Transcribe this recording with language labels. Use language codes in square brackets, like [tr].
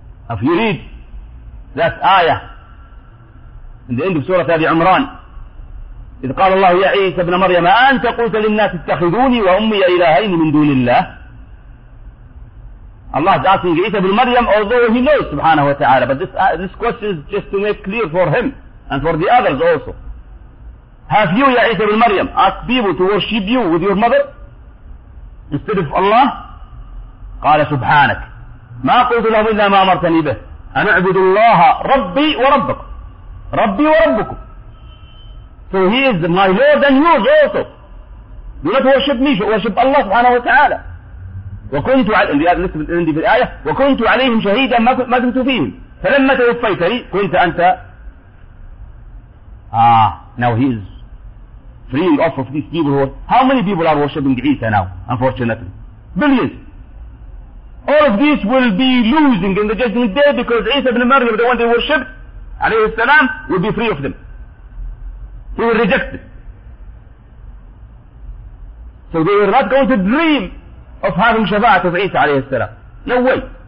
[en] If you read that ayah, in the end of Surah Ali Imran, [ar] إذ قال الله يا عيسى ابن مريم أنت قلت للناس اتخذوني وأمي إلهين من دون الله. [en] Allah is asking Isa ibn Maryam, although he knows subhanahu wa ta'ala, but this question is just to make clear for him and for the others also. Have you, ya Isa ibn Maryam, asked people to worship you with your mother instead of Allah? [ar] قال سبحانك ما قلت لهم إلا ما أمرتني به أن أعبد الله ربي وربكم. ربي وربكم. [en] So he is my Lord and yours also. Do not worship me, worship Allah subhanahu wa ta'ala. [ar] وكنت على ان ديار نسب الاندي بالايه وكنت عليهم شهيدا ما كنت فيهم فلما توفيتني كنت انت [en] now he is freeing off of these people. How many people are worshiping Isa now? Unfortunately, billions. All of these will be losing in the judgment day because Isa ibn Maryam, the one they worship alayhi salam, will be free of them. He will reject them. So they are not going to dream of having Shafa'at of Isa alayhi salam. No way.